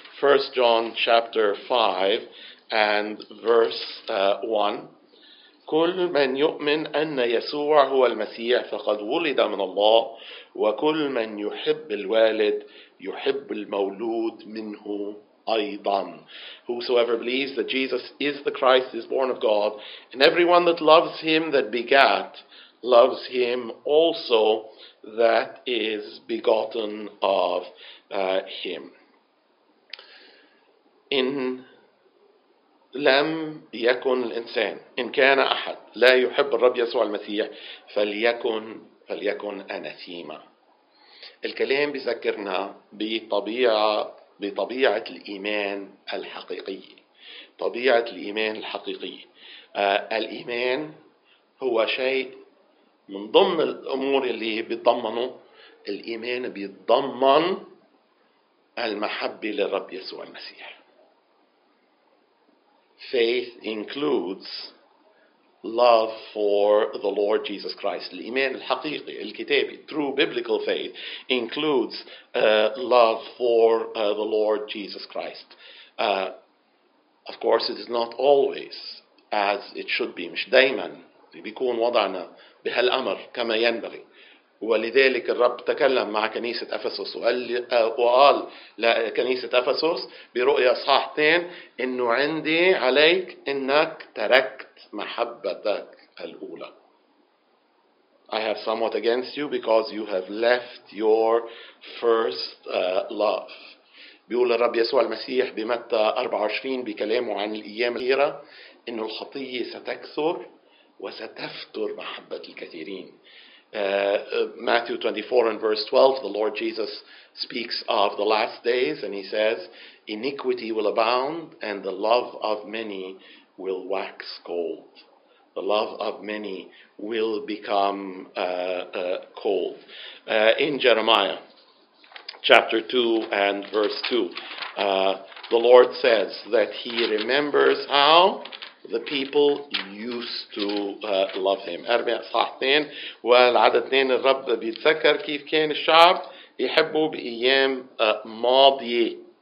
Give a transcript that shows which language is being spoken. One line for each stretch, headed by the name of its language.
English: 1 John chapter 5 and verse 1.
Arabic: كل من يؤمن أن يسوع هو المسيح فقد ولد من الله وكل من يحب الوالد يحب المولود منه أيضا.
English: Whosoever believes that Jesus is the Christ is born of God, and everyone that loves him that begat loves him also that is begotten of him.
Arabic: In لم يكن الإنسان إن كان أحد لا يحب الرب يسوع المسيح فليكن أنثيما. الكلام بيذكرنا بطبيعة الإيمان الحقيقي. طبيعة الإيمان الحقيقي. الإيمان هو شيء من ضمن الأمور اللي بيتضمنه. الإيمان بيتضمن المحبة للرب يسوع المسيح.
English: Faith includes love for the Lord Jesus Christ.
Arabic: الإيمان الحقيقي الكتابي,
English: true biblical faith, includes love for the Lord Jesus Christ. Of course, it is not always as it should be.
Arabic: مش دايما بيكون وضعنا بهالأمر كما ينبغي. ولذلك الرب تكلم مع كنيسة أفسس وقال لكنيسة أفسس برؤية صحيح 2 إنه عندي عليك إنك تركت محبتك الأولى.
English: I have somewhat against you because you have left your first love.
Arabic: بيقول الرب يسوع المسيح بمتى 24 بكلامه عن الأيام الأخيرة إنه الخطية ستكثر وستفتر محبة الكثيرين.
English: Matthew 24 and verse 12, the Lord Jesus speaks of the last days and he says, iniquity will abound and the love of many will wax cold. The love of many will become cold. In Jeremiah chapter 2 and verse 2, the Lord says that he remembers how the people used to love him.
Arabic: أربعة صحيح 2 والعدد 2 الرب بيتذكر كيف كان الشعب يحبه بأيام ماضية.